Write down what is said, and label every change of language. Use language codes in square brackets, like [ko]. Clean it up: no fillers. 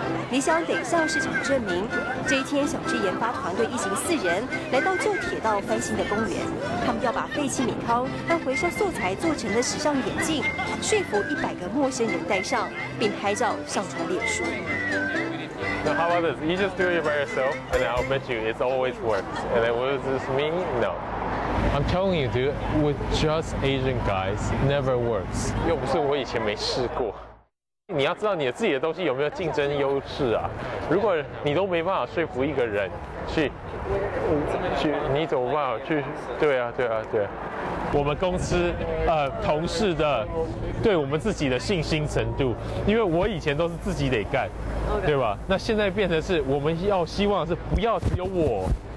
[zh] 理想得向市场证明。这一天，小智研发团队一行4人来到旧铁道翻新的公园，他们要把废弃米糠和回收素材做成的时尚眼镜，说服100个陌生人戴上，并拍照上传脸书。 [en] So how about this? You just do it by yourself, and I'll bet you it always works. And then what does this mean? No. I'm telling you, dude, with just Asian guys, never works. [zh] 又不是我以前没试过。你要知道你自己的东西有没有竞争优势啊，如果你都没办法说服一个人去你怎么办法去，对啊对啊对啊，我们公司同事的对我们自己的信心程度，因为我以前都是自己得干，对吧，那现在变成是我们要希望是不要只有我